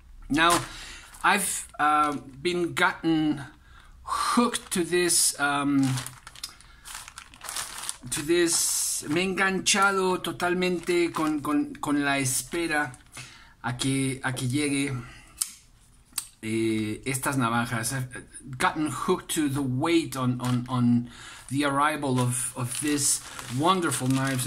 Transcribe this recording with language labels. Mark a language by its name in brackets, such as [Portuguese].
[English] Now, I've been gotten hooked to this to this. [Spanish] Me he enganchado totalmente con la espera a que llegue estas navajas. [English] I've gotten hooked to the wait on the arrival of these wonderful knives.